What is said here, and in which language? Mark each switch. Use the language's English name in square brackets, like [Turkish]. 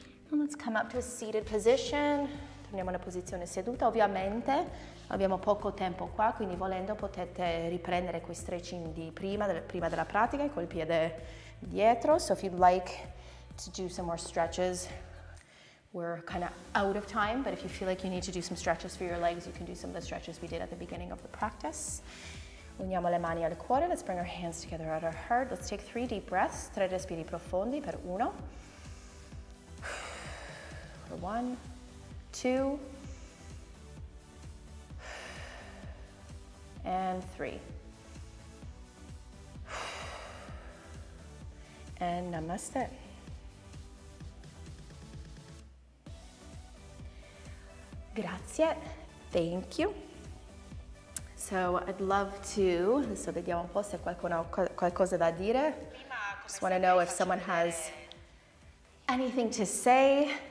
[English] And let's come up to a seated position. [Italian] Torniamo alla posizione seduta, ovviamente abbiamo poco tempo qua, quindi volendo potete riprendere quei stretching di prima della pratica col piede dietro. [English] So if you'd like to do some more stretches, we're kind of out of time, but if you feel like you need to do some stretches for your legs, you can do some of the stretches we did at the beginning of the practice. [Italian] Uniamo le mani al cuore, [English] let's bring our hands together at our heart. Let's take three deep breaths, [Italian] tre respiri profondi per uno. [English] For one. Two and three and namaste. [Italian] Grazie, [English] thank you. So I'd love to, [Italian] adesso vediamo un po' se qualcuno ha qualcosa da dire. [English] Just want to know if someone has anything to say.